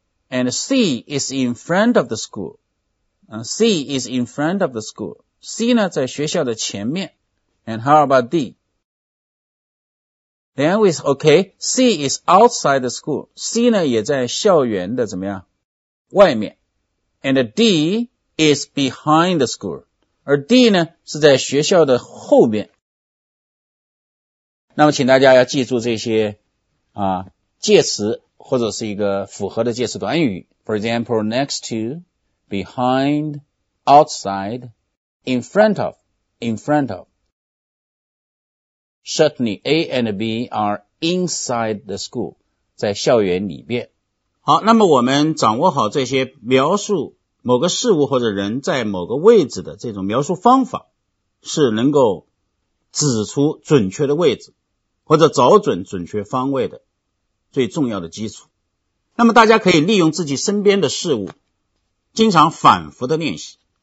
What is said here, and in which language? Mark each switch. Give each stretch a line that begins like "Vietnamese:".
English: And C is in front of the school. C is in front of the school.
Chinese: C 呢，在学校的前面。
English: And how about D? Then we say, okay, C is outside the school.
Chinese: C 呢也在校园的怎么样？外面。
English: And D is behind the school.
Chinese: 而 D 呢是在学校的后面。那么请大家要记住这些介词或者是一个符合的介词短语。
English: For example, next to, behind, outside, in front of. Certainly, A and B are inside the school,
Chinese: 在校园里边。好，那么我们掌握好这些描述某个事物或者人在某个位置的这种描述方法，是能够指出准确的位置，或者找准准确方位的最重要的基础。那么大家可以利用自己身边的事物，经常反复的练习。